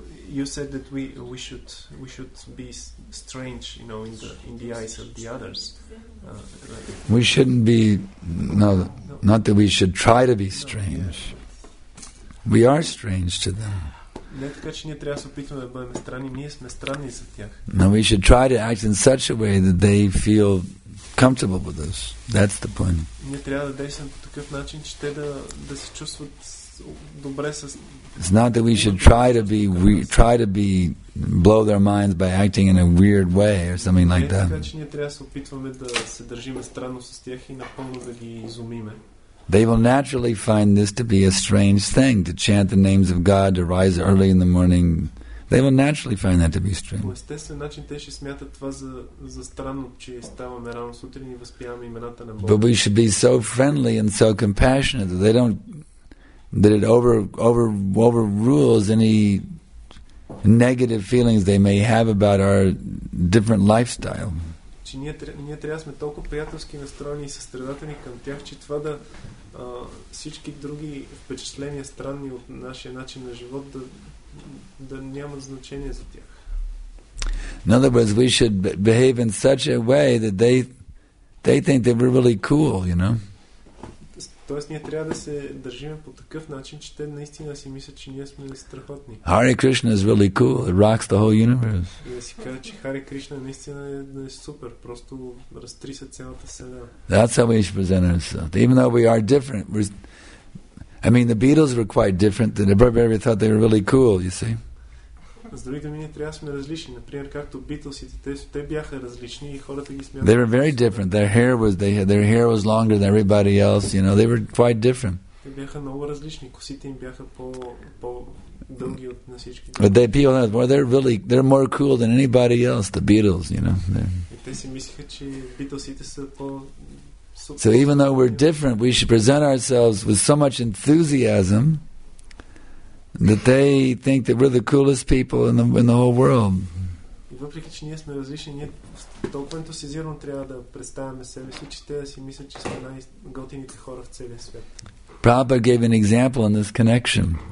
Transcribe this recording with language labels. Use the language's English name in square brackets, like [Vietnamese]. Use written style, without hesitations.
[English] You said that we should be strange, you know, in the eyes of the others. We shouldn't be, not that we should try to be strange. We are strange to them. [Bulgarian] Не така, че ние трябва да се опитваме да бъдем странни, ние сме странни за тях. [English] No, we should try to act in such a way that they feel comfortable with us. That's the point. [Bulgarian] Ние трябва да действаме по такъв начин, че те да се чувстват добре с... [English] It's not that we should try to blow their minds by acting in a weird way or something like that. [Bulgarian] Не така, че ние трябва да се опитваме да се държиме странно с тях и напълно да ги изумиме. [English] They will naturally find this to be a strange thing, to chant the names of God, to rise early in the morning. They will naturally find that to be strange. [Bulgarian] По естествен начин те ще смятат това за странно, че ставаме рано сутрин и възпяваме имената на Бога. [English] But we should be so friendly and so compassionate that they don't, that it overrules any negative feelings they may have about our different lifestyle. [Bulgarian] Че ние трябва да сме толкова приятелски настроени и състрадателни към тях, че това да всички други впечатления странни от нашия начин на живот да нямат значение за тях. [English] In other words, we should behave in such a way that they think that we're really cool, you know? [Bulgarian] Тоест, ние трябва да се държиме по такъв начин, че те наистина си мислят, че ние сме страхотни. [English] Hare Krishna is really cool. It rocks the whole universe. [Bulgarian] И да си кажа, че Hare Krishna наистина е супер. Просто разтриса цялата вселена. [English] That's how we should present ourselves. Even though we are different. The Beatles were quite different. They never ever thought they were really cool, you see. [Bulgarian] С други думи, ние трябва да сме различни. Например, както Битлсите, те бяха различни и хората ги смятат. [English] They were very different. Their hair was longer than everybody else, you know. They were quite different. [Bulgarian] Те бяха много различни. Косите им бяха по дълги от на всички. [English] But they people thought, well, they're more cool than anybody else, the Beatles, you know. [Bulgarian] И те си мислиха, че Битлсите са по супер. [English] So even though we're different, we should present ourselves with so much enthusiasm that they think that we're the coolest people in the whole world. [Bulgarian] И въпреки че ние сме различни, ние толкова ентусиазирано трябва да представяме себе си, че те да си мислят, че сме най-готините хора в целия свят. [English] Prabhupada gave an example in this connection.